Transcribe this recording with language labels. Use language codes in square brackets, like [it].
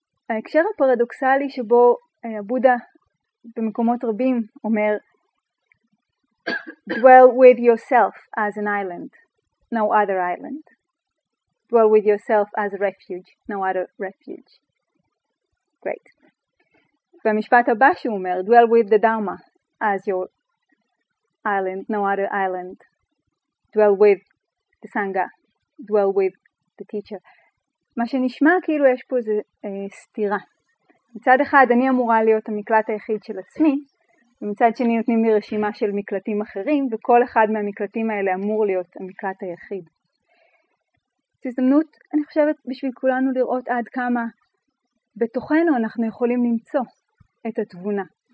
[he] ההקשר הפרדוקסלי שבו הבודה במקומות רבים אומר [en] dwell with yourself as an island, no other island. Dwell with yourself as a refuge, no other refuge. Great. [he] במשפט הבא שהוא אומר, [en] dwell with the Dharma as your island, no other island. Dwell with the Sangha, dwell with the teacher. [he] מה שנשמע כאילו יש פה זה סתירה. מצד אחד אני אמורה להיות המקלט היחיד של עצמי, ומצד שני נותנים לי רשימה של מקלטים אחרים, וכל אחד מהמקלטים האלה אמור להיות המקלט היחיד. זו הזדמנות, אני חושבת, בשביל כולנו לראות עד כמה בתוכנו אנחנו יכולים למצוא את התבונה.